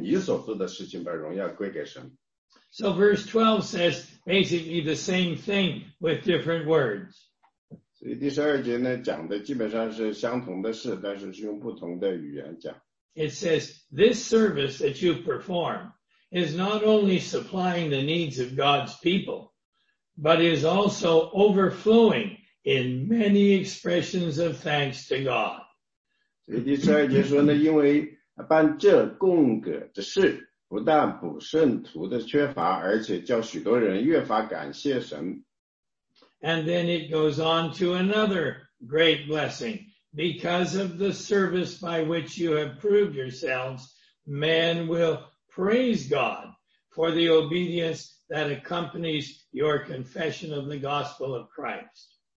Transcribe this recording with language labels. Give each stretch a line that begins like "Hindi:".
Chinese: 所以呢，我们要做好工，我们甚至说给钱给别人，这样呢，就说让人家感到是荣耀归神，因为你所做的事情把荣耀归给神。
English: So verse 12 says basically the same thing with different words.
Chinese: 所以第十二节呢，讲的基本上是相同的事，但是是用不同的语言讲。
English: It says, this service that you perform is not only supplying the needs of God's people, but is also overflowing in many expressions of thanks to God.
Chinese: 所以第十二节说呢，因为办这供给的事。不但补圣徒的缺乏，而且叫许多人越发感谢神。
English: And then it goes on to another great blessing. Because of the service by which you have proved yourselves, men will praise God for the obedience that accompanies your confession of the gospel of Christ.